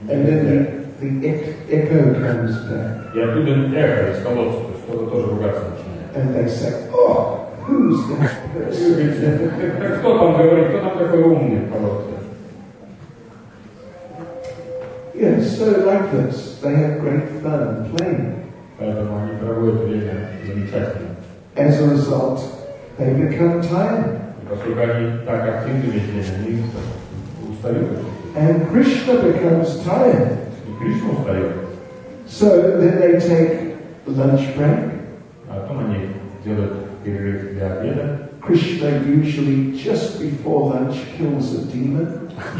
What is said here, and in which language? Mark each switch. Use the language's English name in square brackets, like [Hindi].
[Russian] И тут кто-то слова называется всякие. И оттуда эхо из колодца, то есть кто-то тоже ругаться начинает. [English] And they say, oh, who's that person? [Russian] Кто там говорит, кто там такой умный в колодце? [English] Yes, so like this, they have great fun playing. [Russian] Поэтому они проводят время замечательно. [English] As a result, they become tired. [Russian] И поскольку они так активны весь день, они устают. [English] And Krishna becomes tired. [Russian] И Кришна устает. [English] So then they take lunch break. [Russian] А потом они делают перерыв для обеда. [English] Krishna usually just before lunch kills a demon.